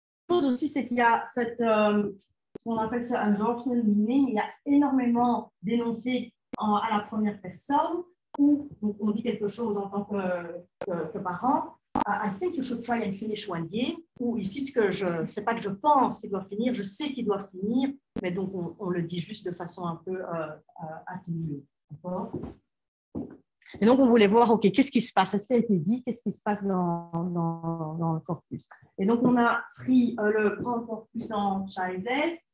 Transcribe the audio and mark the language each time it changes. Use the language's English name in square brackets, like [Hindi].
[French] Chose aussi, c'est qu'il y a ce qu'on appelle un unjustified meaning, il y a énormément d'énoncés à la première personne où on dit quelque chose en tant que parent. [English] I think you should try and finish one game. [French] Ou ici, c'est pas que je pense qu'il doit finir, je sais qu'il doit finir, mais donc on le dit juste de façon un peu atténuée. D'accord? Et donc, on voulait voir, OK, qu'est-ce qui se passe? Est-ce qu'il a été dit? Qu'est-ce qui se passe dans le corpus? Et donc, on a pris le grand corpus en Childest.